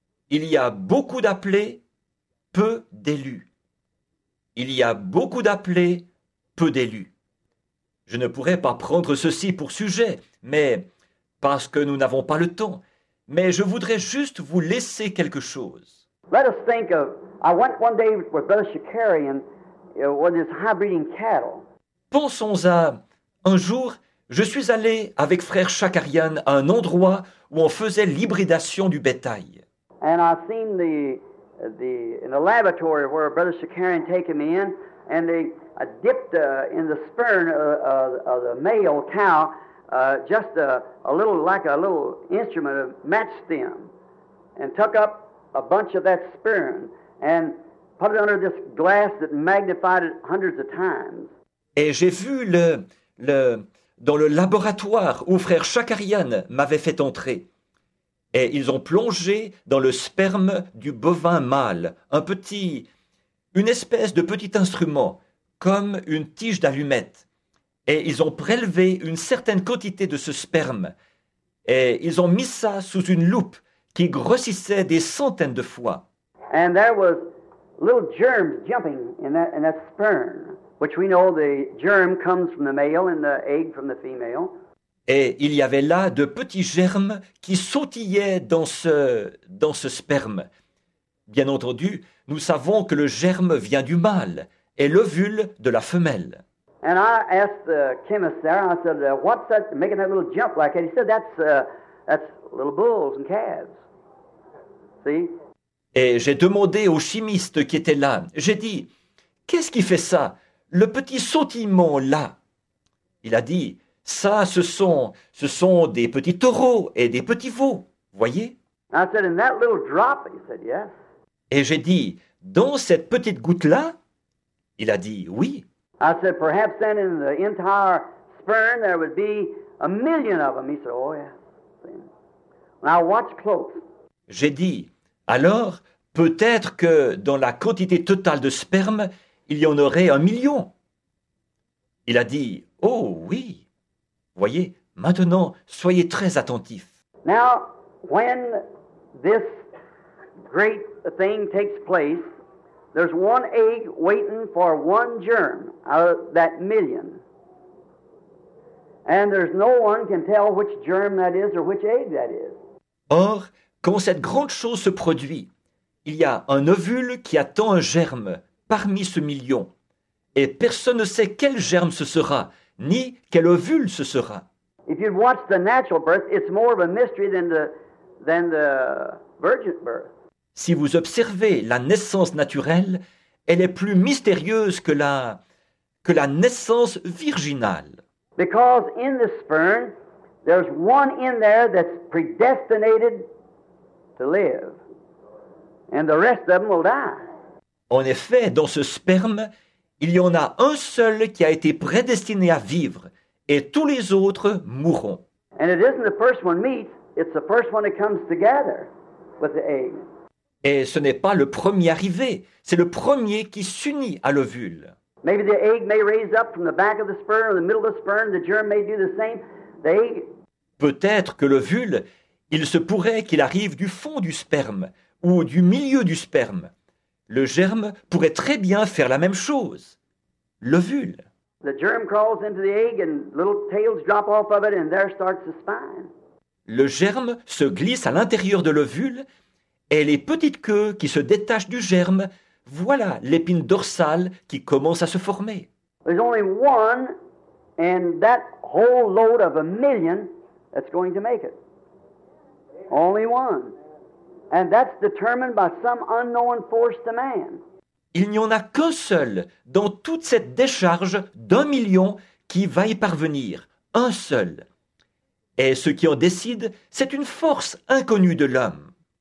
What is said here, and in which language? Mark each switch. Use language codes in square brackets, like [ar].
[fr] Il y a beaucoup d'appelés, peu d'élus. Il y a beaucoup d'appelés, peu d'élus. Je ne pourrais pas prendre ceci pour sujet, mais parce que nous n'avons pas le temps. Mais je voudrais juste vous laisser quelque chose. [en] Let us think of, I went one day with Brother Shikari and with his high-breeding cattle. [fr] Pensons à, un jour, je suis allé avec Frère Shakarian à un endroit où on faisait l'hybridation du bétail. [en] And I seen the laboratory where Brother Shakarian taken me in, and they dipped in the sperm of the male cow, just a little instrument of match stem, and took up a bunch of that sperm and put it under this glass that magnified it hundreds of times. [fr] Et j'ai vu le dans le laboratoire où Frère Shakarian m'avait fait entrer. Et ils ont plongé dans le sperme du bovin mâle, une espèce de petit instrument, comme une tige d'allumette. Et ils ont prélevé une certaine quantité de ce sperme. Et ils ont mis ça sous une loupe qui grossissait des centaines de fois. [en] And there was little germs jumping in that sperm, which we know the germ comes from the male and the egg from the female. [fr] Et il y avait là de petits germes qui sautillaient dans ce sperme. Bien entendu, nous savons que le germe vient du mâle et l'ovule de la femelle. [en] And I asked the chemist there, I said, what's that making that little jump like? And he said, that's little bulls and calves. See? [fr] Et j'ai demandé au chimiste qui était là, j'ai dit, qu'est-ce qui fait ça, le petit sautillement là? Il a dit, ça, ce sont des petits taureaux et des petits veaux, voyez? [en] I said, in that little drop, he said, yes. [fr] Et j'ai dit, dans cette petite goutte-là? Il a dit, oui. [en] I said, perhaps then in the entire sperm there would be a million of them. He said, oh, yes. Now watch close. [fr] J'ai dit, alors, peut-être que dans la quantité totale de sperme, il y en aurait un million. Il a dit, oh, oui. Voyez, maintenant, soyez très attentifs. [en] Now, when this great thing takes place, there's one egg waiting for one germ out of that million. And there's no one can tell which germ that is or which egg that is. [fr] Or, quand cette grande chose se produit, il y a un ovule qui attend un germe parmi ce million. Et personne ne sait quel germe ce sera, ni quel ovule ce sera. [en] If you'd watch the natural birth, it's more of a mystery than the virgin birth. [fr] Si vous observez la naissance naturelle, elle est plus mystérieuse que la naissance virginale. [en] Because in the sperm, there's one in there that's predestinated to live, and the rest of them will die. [fr] En effet, dans ce sperme, il y en a un seul qui a été prédestiné à vivre, et tous les autres mourront. [en] And it isn't the first one meets, it's the first one that comes together with the egg. [fr] Et ce n'est pas le premier arrivé, c'est le premier qui s'unit à l'ovule. [en] Maybe the egg may raise up from the back of the sperm or the middle of the sperm, the germ may do the same. [fr] Peut-être que l'ovule, il se pourrait qu'il arrive du fond du sperme ou du milieu du sperme. Le germe pourrait très bien faire la même chose. L'ovule. [en] The germ crawls into the egg and little tails drop off of it and there starts the spine. [fr] Le germe se glisse à l'intérieur de l'ovule et les petites queues qui se détachent du germe, voilà l'épine dorsale qui commence à se former. [en] There's only one and that whole load of a million that's going to make it. Only one. And that's determined by some unknown force to man. [fr] Il n'y en a qu'un seul dans toute cette décharge d'un million qui va y parvenir. Un seul. Et ce qui en décide, c'est une force inconnue de l'homme.